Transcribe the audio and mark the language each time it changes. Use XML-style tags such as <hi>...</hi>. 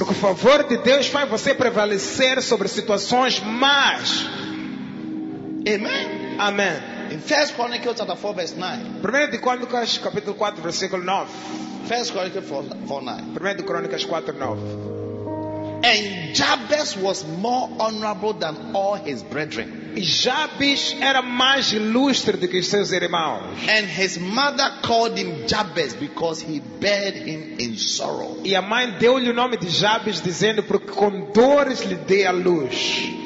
<pt>Porque o favor de Deus faz você prevalecer sobre situações más. Amen. Amen.</pt> <en>In 1 Chronicles chapter 4 verse 9.</en> <pt>Primeiro de Crônicas capítulo 4 versículo 9.</pt> <en>1 Chronicles 4:9.</en> <pt>Primeiro de Crônicas 4:9.</pt> <en>And Jabez was more honorable than all his brethren.</en> <pt>E Jabez era mais ilustre do que seus irmãos.</pt> <en>And his mother called him Jabez because he bared him in sorrow.</en> <pt>E a mãe deu-lhe o nome de Jabez dizendo porque com dores lhe deu a luz.</pt>